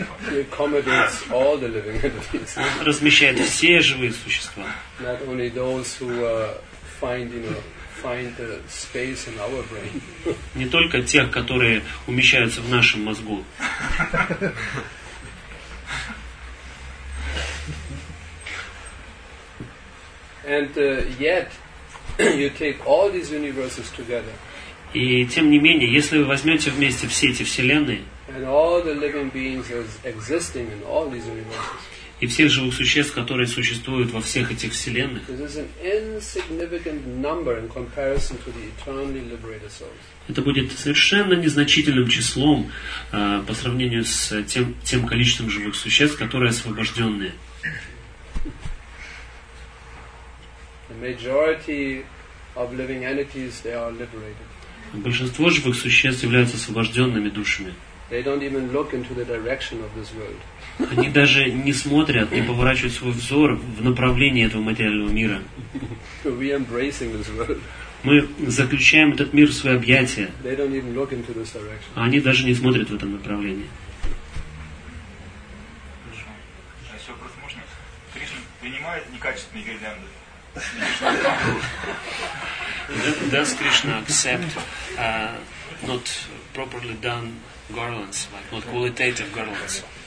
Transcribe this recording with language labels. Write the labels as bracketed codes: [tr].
[en] He accommodates all the living entities. [ru] Он размещает все живые существа. [en] Not only those who find the space in our brain. [ru] Не только тех, которые умещаются в нашем мозгу. [en] And yet you take all these universes together. [ru] И тем не менее, если вы возьмете вместе все эти вселенные, [en] and all the living beings that are existing in all these universes, [ru] и всех живых существ, которые существуют во всех этих вселенных, [en] this is an insignificant number in comparison to the eternally liberated souls. [ru] Это будет совершенно незначительным числом по сравнению с тем количеством живых существ, которые освобожденные. [en] Majority of living entities, they are liberated. [ru] Большинство живых существ являются освобожденными душами. [en] They don't even look into the direction of this world. [ru] Они даже не смотрят, не поворачивают свой взор в направлении этого материального мира. [en] We embracing this world. [ru] Мы заключаем этот мир в свои объятия. [en] They don't even look into this direction. [ru] А они даже не смотрят в этом направлении. Хорошо. А просто можно? Кришна принимает некачественные гирлянды. [en] Does Krishna accept not properly done garlands, like not qualitative garlands?